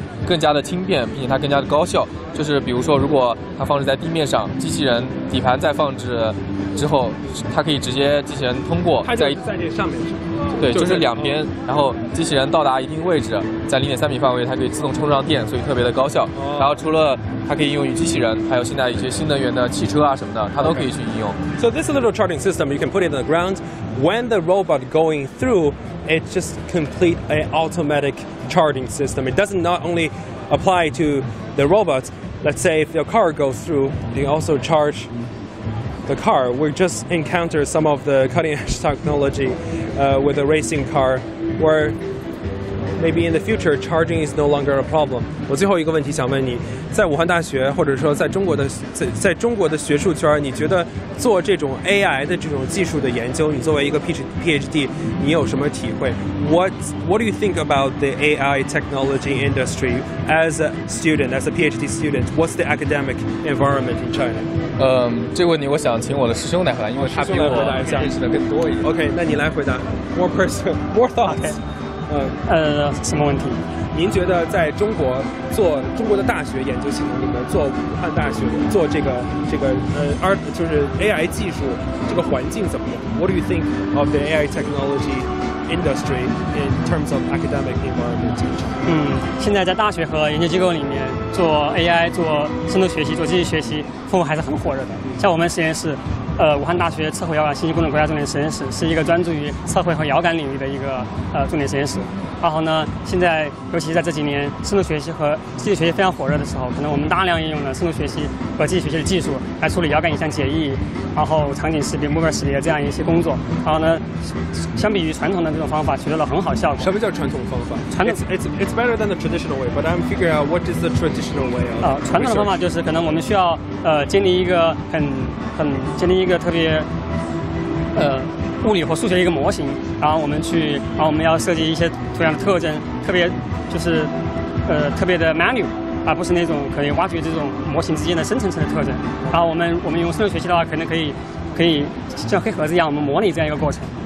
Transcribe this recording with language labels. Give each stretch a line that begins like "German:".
Chinese: 更加的轻便，并且它更加的高效。就是比如说，如果它放置在地面上，机器人底盘再放置之后，它可以直接机器人通过在。它在这上面是吗？对，就是两边、然后机器人到达一定位置，在0.3米范围，它可以自动充上电，所以特别的高效。然后除了它可以应用于机器人，还有现在一些新能源的汽车啊什么的，它都可以去应用。
English: So this little charging system, you can put it on the ground. When the robot going through, it's just complete an automatic. Charging system. It doesn't not only apply to the robots. Let's say if your car goes through, you can also charge the car. We just encountered some of the cutting edge technology with a racing car, where maybe in the future charging is no longer a problem.
Chinese: 我最后一个问题想问你，在武汉大学或者说在中国的学术圈，你觉得做这种 AI 的这种技术的研究，你作为一个 PhD， 你有什么体会？
English: What do you think about the AI technology industry as a student, as a PhD student? What's the academic environment in China?
Chinese: 这个问题我想请我的师兄来回答，因为他比我认识的更多一点。
English: OK，
Chinese: 那你来回答。
English: More person, more thoughts.、
Chinese: Okay. 什么问题？您觉得在中国做中国的大学研究系统里面，做武汉大学做就是 AI 技术这个环境怎么样 ？
English: What do you think of the AI technology industry in terms of academic environment?
Chinese: 现在在大学和研究机构里面做 AI、做深度学习、做机器学习，氛围还是很火热的。像我们实验室，武汉大学测绘遥感信息工程国家重点实验室，是一个专注于测绘和遥感领域的一个重点实验室。然后呢，现在尤其在这几年深度学习和机器学习非常火热的时候，可能我们大量应用了深度学习和机器学习的技术来处理遥感影像解译，然后场景识别、目标识别这样一些工作。然后呢，相比于传统的这种方法，取得了很好效果。什么叫传统方法？传统
English: it's better than the traditional way, but I'm figuring out what is the traditional way.
Chinese: 传统的方法就是可能我们需要建立一个很建立一个特别物理或数学一个模型，然后我们要设计一些图像的特征，特别就是特别的 manual。而不是那种可以挖掘这种模型之间的深层次的特征。然后我们用深度学习的话，可能可以像黑盒子一样，我们模拟这样一个过程。